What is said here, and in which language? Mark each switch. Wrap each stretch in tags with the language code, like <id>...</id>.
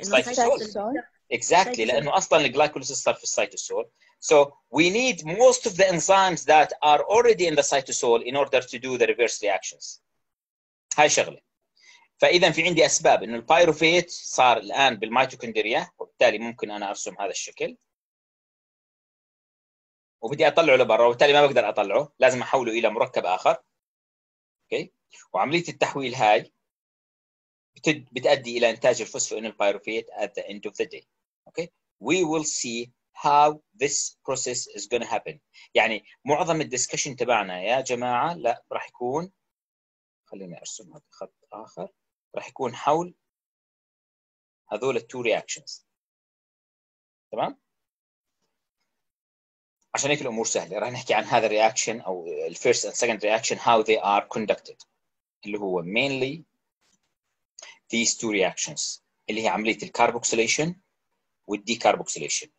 <ar>السايتوسول exactly لانه اصلا الجلايكوليسيس صار في السايتوسول.</ar> <en>So we need most of the enzymes that are already in the cytosol in order to do the reverse reactions.</en> <ar>هاي شغلة. فإذا في عندي أسباب إنه البايروفيت صار الآن بالميتوكوندريا، وبالتالي ممكن أنا أرسم هذا الشكل. وبدي أطلعه لبرا، وبالتالي ما بقدر أطلعه، لازم أحوله إلى مركب آخر.</ar> <en>Okay.</en> <ar>وعملية التحويل هاي بتأدي إلى إنتاج الفوسفوينيل البايروفيت</ar> <en>at the end of the day. Okay. We will see how this process is going to happen.</en> <ar>يعني معظم الديسكشن تبعنا يا جماعه لا راح يكون، خليني ارسم هذا خط اخر، راح يكون حول هذول التو رياكشنز تمام. عشان هيك الامور سهله راح نحكي عن هذا الرياكشن او الفيرست اند سكند رياكشن</ar> <en>how they are conducted</en> <ar>اللي هو</ar> <en>mainly these two reactions</en> <ar>اللي هي عمليه الكاربوكسيليشن والديكاربوكسيليشن.</ar>